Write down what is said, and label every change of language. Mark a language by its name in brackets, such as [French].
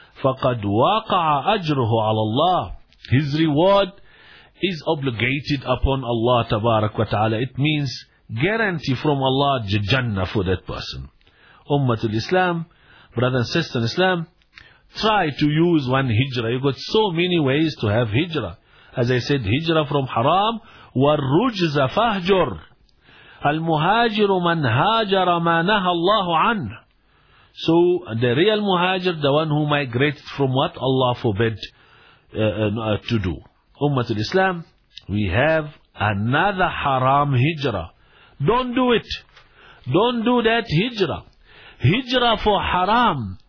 [Arabic] فَقَدْ وَاقَعَ أَجْرُهُ عَلَى اللَّهِ. [English] His reward is obligated upon Allah tabarak wa ta'ala. It means guarantee from Allah Jannah for that person. Ummatul Islam, brother and sister in Islam, try to use one hijrah. You got so many ways to have hijrah. As I said, hijrah from haram. [Arabic] وَالرُّجْزَ فَهْجُرْ. المهاجر من هاجر ما نهى الله عنه. [English] So the real muhajir, the one who migrated from what Allah forbid to do. Ummat al-Islam, we have another haram hijrah. Don't do it. Don't do that hijrah. Hijrah for haram.